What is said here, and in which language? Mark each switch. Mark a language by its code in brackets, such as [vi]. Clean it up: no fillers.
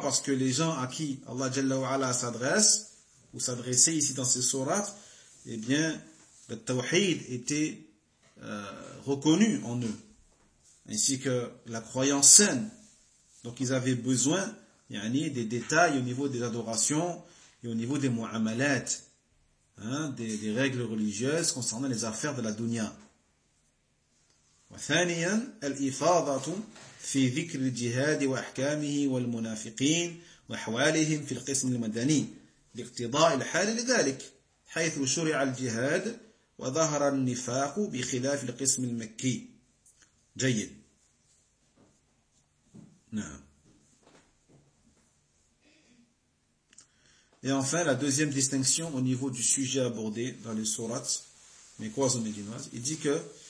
[fr] Parce que les gens à qui Allah Jalla wa'ala s'adresse ou s'adressait ici dans ces sourates, eh bien, le tawhid était reconnu en eux, ainsi que la croyance saine. Donc ils avaient besoin yani, des détails au niveau des adorations et au niveau des mu'amalat, hein, des règles religieuses concernant les affaires de la dunya. [ar] وثانيا الإفاضة في ذكر الجهاد وأحكامه والمنافقين وأحوالهم في القسم المدني لاقتضاء الحال لذلك حيث شرع الجهاد وظهر النفاق بخلاف القسم المكي جيد نعم. [fr] Et enfin la deuxième distinction au niveau du sujet abordé dans les sourates mekkoises ou médinoises, il dit que